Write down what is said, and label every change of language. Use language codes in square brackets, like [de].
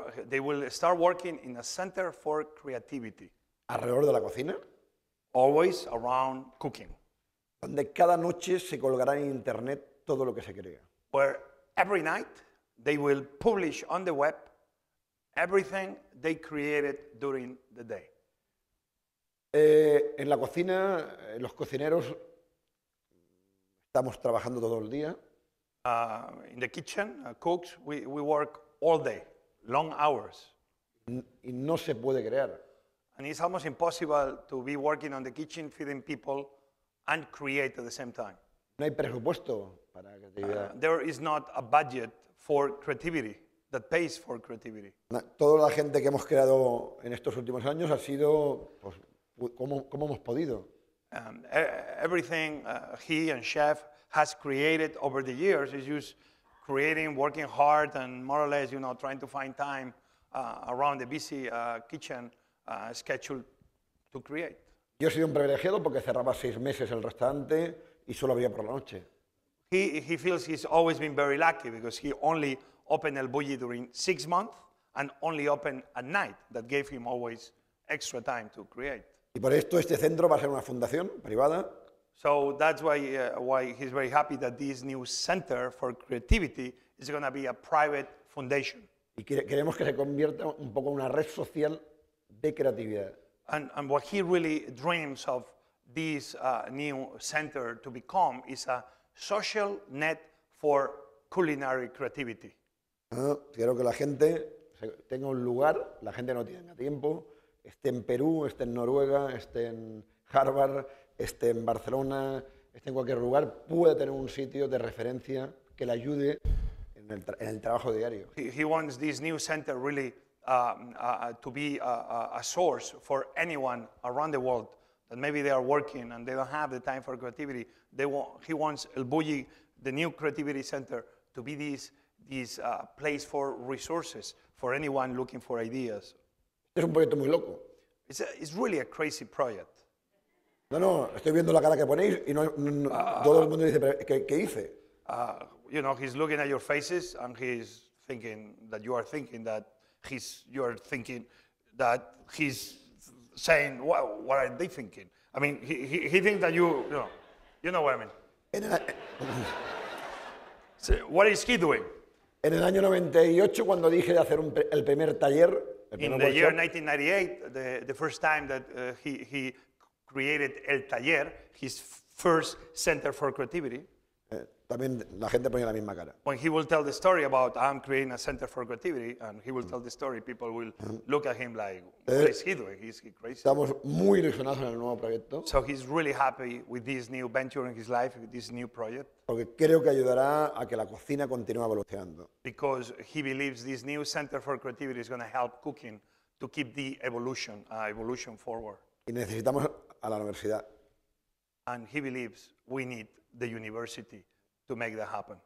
[en] They will start working in a center for creativity. [es] Alrededor de la cocina. [en] Always around cooking. [es] Donde cada noche se colgará en internet todo lo que se crea. [en] Where every night they will publish on the web everything they created during the day. [es] En la cocina, los cocineros estamos trabajando todo el día. [en] In the kitchen, cooks, we work all day, long hours. [es] Y no se puede crear. [en] And it's almost impossible to be working on the kitchen, feeding people, and create at the same time. [es] No hay presupuesto para creatividad. [en] There is not a budget for creativity that pays for creativity. [es] No, toda la gente que hemos creado en estos últimos años ha sido, pues, ¿cómo hemos podido? [en] Everything he and Chef has created over the years is just creating, working hard, and more or less, you know, trying to find time around the busy kitchen schedule to create. [es] Yo he sido un privilegiado porque cerraba seis meses el restaurante y solo abría por la noche. [en] He feels he's always been very lucky because he only opened elBulli during 6 months and only opened at night. That gave him always extra time to create. [es] Y por esto este centro va a ser una fundación privada. [en] So that's why he's very happy that this new center for creativity is going to be a private foundation. [es] Y queremos que se convierta un poco en una red social de creatividad. [en] And what he really dreams of this new center to become is a social net for culinary creativity. [es] Quiero que la gente tenga un lugar, la gente no tiene tiempo, esté en Perú, esté en Noruega, esté en Harvard, esté en Barcelona, esté en cualquier lugar, pueda tener un sitio de referencia que le ayude en el trabajo diario. [en] He wants this new center really to be a source for anyone around the world that maybe they are working and they don't have the time for creativity. He wants elBulli, the new creativity center, to be this place for resources for anyone looking for ideas. [es] Es un proyecto muy loco. [en] It's really a crazy project. [es] No, estoy viendo la cara que ponéis y no todo el mundo dice, ¿qué hice? [en] You know, he's looking at your faces and he's thinking that you are thinking that you're thinking that he's saying, what are they thinking? I mean, he thinks that you know what I mean. So what is he doing? [es] En el año 98, cuando dije de hacer el primer taller, [en] in the year 1998, the first time that he created El Taller, his first center for creativity. [es] También la gente ponía la misma cara. [en] When he will tell the story about I'm creating a center for creativity, and he will tell the story, people will look at him like, what is he doing? Is he crazy? [es] Estamos muy ilusionados en el nuevo proyecto. [en] So he's really happy with this new venture in his life, with this new project. [es] Porque creo que ayudará a que la cocina continúe evolucionando. [en] Because he believes this new center for creativity is going to help cooking to keep the evolution forward. [es] Y necesitamos a la universidad. [en] And he believes we need the university to make that happen.